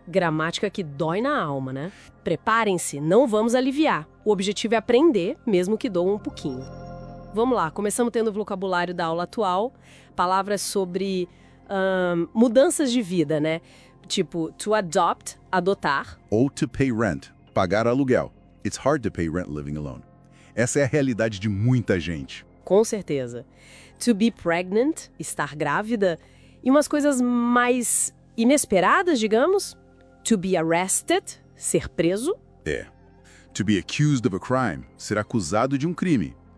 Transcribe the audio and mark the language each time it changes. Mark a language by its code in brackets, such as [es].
[pt] Gramática que dói na alma, né? Preparem-se, não vamos aliviar. O objetivo é aprender, mesmo que doa um pouquinho. Vamos lá, começamos tendo o vocabulário da aula atual. Palavras sobre mudanças de vida, né? Tipo, [en] to adopt, [pt] adotar. [en] Ou to pay rent, [pt] pagar aluguel. [en] It's hard to pay rent living alone. [pt] Essa é a realidade de muita gente. Com certeza. [en] To be pregnant, [pt] estar grávida. E umas coisas mais inesperadas, digamos. [en] To be arrested, [pt] ser preso. É. [en] To be accused of a crime, [pt] ser acusado de um crime.